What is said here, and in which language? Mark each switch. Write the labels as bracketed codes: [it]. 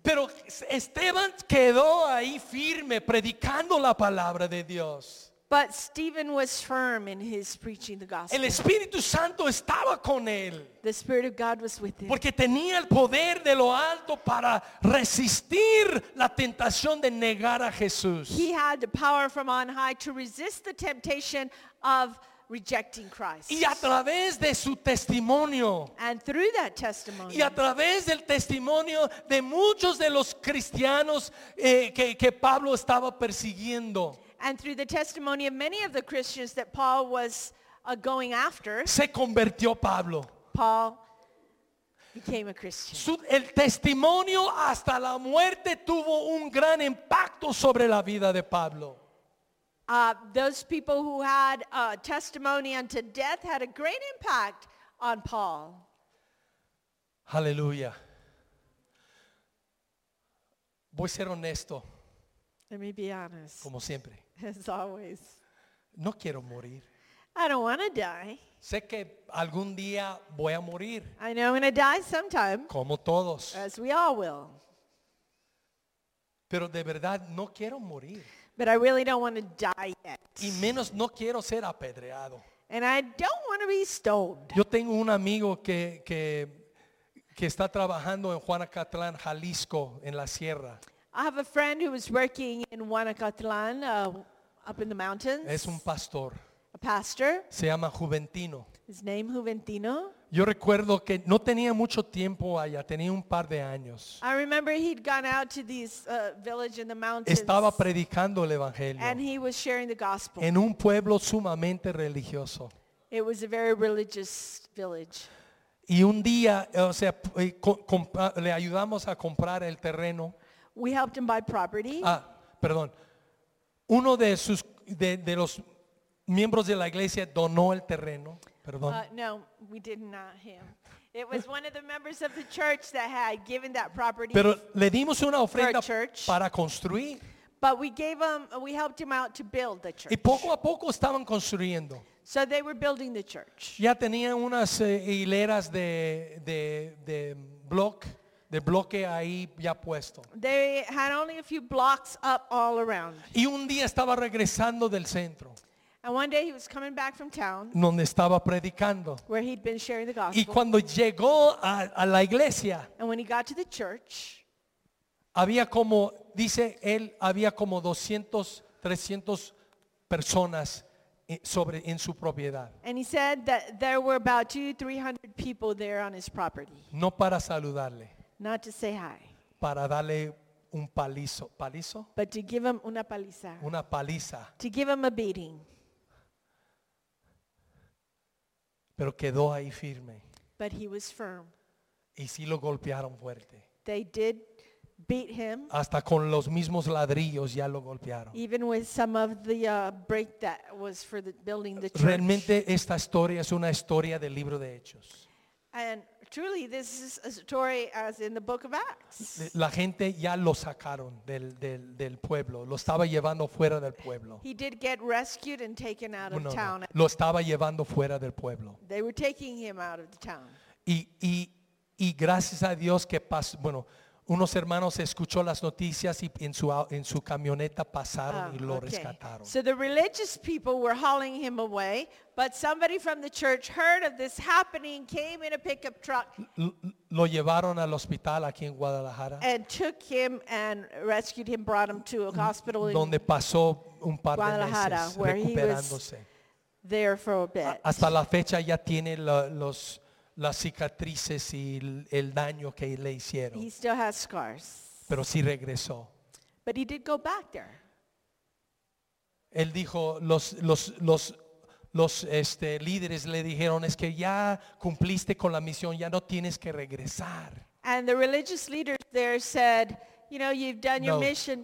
[es] Pero Esteban quedó ahí firme predicando la palabra de Dios. [en] But Stephen was firm in his preaching the gospel. [es] El Espíritu Santo estaba con él. [en] The Spirit of God was with him. [es] Porque tenía el poder de lo alto para resistir la tentación de negar a Jesús. [en] He had the power from on high to resist the temptation of rejecting Christ. [es] Y a través de su testimonio. [en] And through that testimony. [es] Y a través del testimonio de muchos de los cristianos que Pablo estaba persiguiendo. [en] And through the testimony of many of the Christians that Paul was going after. [es] Se convirtió Pablo. [en] Paul became a Christian. [es] El testimonio hasta la muerte tuvo un gran impacto sobre la vida de Pablo. [en] Those people who had a testimony unto death had a great impact on Paul. Hallelujah. [es] Voy a ser honesto. [en] Let me be honest. [es] Como siempre. [en] As always. [es] No quiero morir. [en] I don't want to die. [es] Sé que algún día voy a morir. [en] I know I'm going to die sometime. [es] Como todos. [en] As we all will. [es] Pero de verdad no quiero morir. [en] But I really don't want to die yet. [es] Y menos no quiero ser apedreado. [en] And I don't want to be stoned. [es] Yo tengo un amigo que está trabajando en Juanacatlán, Jalisco, en la sierra. [en] I have a friend who is working in Juanacatlán, up in the mountains. [es] Es un pastor. [en] A pastor. [es] Se llama Juventino. [en] His name Juventino. [es] Yo recuerdo que no tenía mucho tiempo allá, tenía un par de años. [en] I remember he'd gone out to this village in the mountains. [es] Estaba predicando el evangelio. [en] And he was sharing the gospel. [es] En un pueblo sumamente religioso. [en] It was a very religious village. [es] Y un día, o sea, le ayudamos a comprar el terreno. [en] We helped him buy property. [es] Ah, perdón. Uno de sus de los miembros de la iglesia donó el terreno. Perdón. [en] No, we did not him. It was one of the members of the church that had given that property. [es] Pero le dimos una ofrenda para construir. [en] But we helped him out to build the church. [es] Y poco a poco estaban construyendo. [en] So they were building the church. [es] Ya tenían unas hileras de bloque ahí ya puesto. [en] They had only a few blocks up all around. [es] Y un día estaba regresando del centro. [en] And one day he was coming back from town. [es] Donde estaba predicando. [en] Where he'd been sharing the gospel. [es] Y cuando llegó a la iglesia. [en] And when he got to the church. [es] Había como, dice él, había como 200, 300 personas en su propiedad. [en] And he said that there were about 200-300 people there on his property. [es] No para saludarle. [en] Not to say hi. [es] Para darle un palizo. ¿Palizo? [en] But to give him [es] una paliza. Una paliza. [en] To give him a beating. [es] Pero quedó ahí firme. [en] But he was firm. [es] Y sí lo golpearon fuerte. [en] They did beat him. [es] Hasta con los mismos ladrillos ya lo golpearon. [en] Even with some of the brick that was for the building the church. [es] Realmente esta historia es una historia del libro de Hechos. [en] And truly this is a story as in the book of Acts. [es] La gente ya lo sacaron del pueblo. Lo estaba llevando fuera del pueblo. [en] He did get rescued and taken out of town. [es] Lo estaba llevando fuera del pueblo. [en] They were taking him out of the town. [es] Y gracias a Dios que bueno, unos hermanos escuchó las noticias y en su camioneta pasaron y lo rescataron. [en] So the religious people were hauling him away, but somebody from the church heard of this happening, came in a pickup truck. [es] Lo llevaron al hospital aquí en Guadalajara. [en] And took him and rescued him, brought him to a hospital in [es] donde pasó un par de meses recuperándose. [en] There for a bit. [es] Hasta la fecha ya tiene los las cicatrices y el daño que le hicieron. [en] He still has scars. [es] Pero sí regresó. [en] But he did go back there. [es] Él dijo, los líderes le dijeron, es que ya cumpliste con la misión, ya no tienes que regresar. [en] And the religious leaders there said, you know, you've done your mission.